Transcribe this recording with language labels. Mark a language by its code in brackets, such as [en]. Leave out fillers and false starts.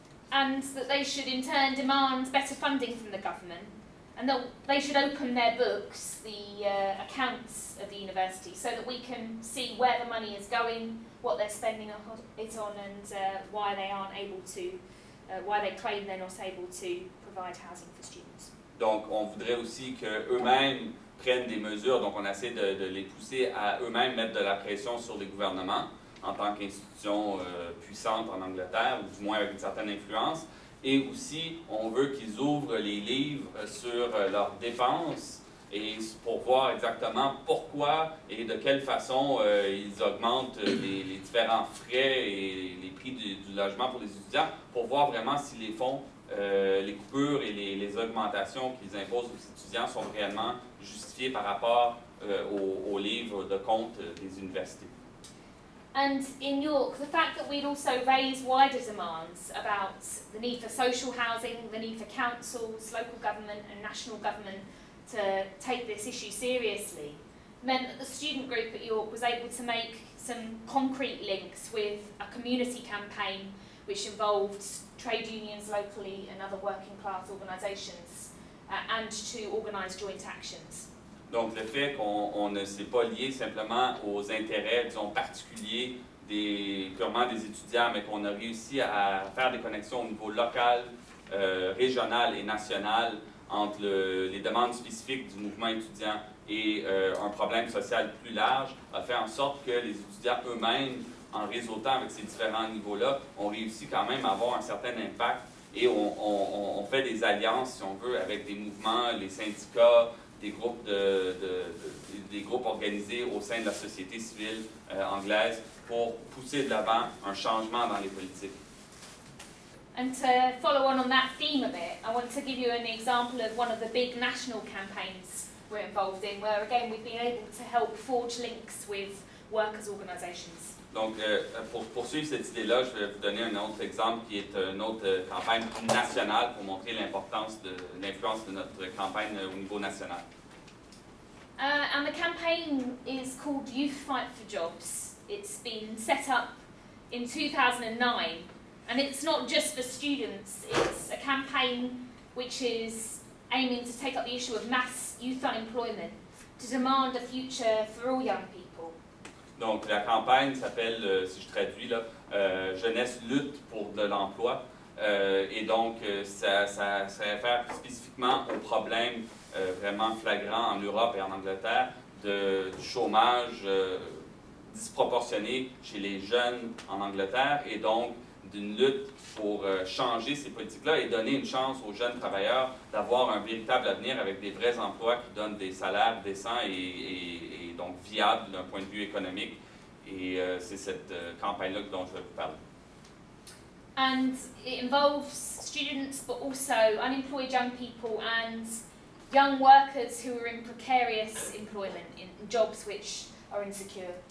[en] And that they should in turn demand better funding from the government, and that they should open their books, the accounts of the university, so that we can see where the money is going, what they're spending it on, and why they aren't able to, why they claim they're not able to provide housing for students. [fr] Donc, on voudrait aussi que eux-mêmes prennent des mesures. Donc, on essaie de les pousser à eux-mêmes mettre de la pression sur les gouvernements en tant qu'institution puissante en Angleterre, ou du moins avec une certaine influence. Et aussi, on veut qu'ils ouvrent les livres sur leurs dépenses et pour voir exactement pourquoi et de quelle façon ils augmentent les différents frais et les prix du logement pour les étudiants, pour voir vraiment si les fonds, les coupures et les augmentations qu'ils imposent aux étudiants sont réellement justifiées par rapport aux livres de compte des universités. [en] And in York, the fact that we'd also raise wider demands about the need for social housing, the need for councils, local government and national government to take this issue seriously, meant that the student group at York was able to make some concrete links with a community campaign which involved trade unions locally and other working class organisations, and to organise joint actions. [fr] Donc, le fait qu'on ne s'est pas lié simplement aux intérêts, disons, particuliers purement des étudiants, mais qu'on a réussi à faire des connexions au niveau local, régional et national entre les demandes spécifiques du mouvement étudiant et un problème social plus large, a fait en sorte que les étudiants eux-mêmes, en réseautant avec ces différents niveaux-là, ont réussi quand même à avoir un certain impact et on fait des alliances, si on veut, avec des mouvements, les syndicats, des groupes organisés au sein de la société civile anglaise pour pousser de l'avant un changement dans les politiques. [en] And to follow on that theme a bit, I want to give you an example of one of the big national campaigns we're involved in, where again we've been able to help forge links with workers' organizations. [fr] Donc, pour poursuivre cette idée-là, je vais vous donner un autre exemple qui est une autre campagne nationale pour montrer l'importance de l'influence de notre campagne au niveau national. [en] And the campaign is called Youth Fight for Jobs. It's been set up in 2009. And it's not just for students. It's a campaign which is aiming to take up the issue of mass youth unemployment, to demand a future for all young people. [fr] Donc, la campagne s'appelle, si je traduis là, Jeunesse lutte pour de l'emploi. Et donc, ça réfère spécifiquement aux problèmes vraiment flagrants en Europe et en Angleterre du chômage disproportionné chez les jeunes en Angleterre et donc d'une lutte pour changer ces politiques-là et donner une chance aux jeunes travailleurs d'avoir un véritable avenir avec des vrais emplois qui donnent des salaires décents et donc viables d'un point de vue économique. Et c'est cette campagne-là dont je vais vous parler. [en] And it involves students, but also unemployed young people and young workers who are in precarious employment, in jobs which are insecure.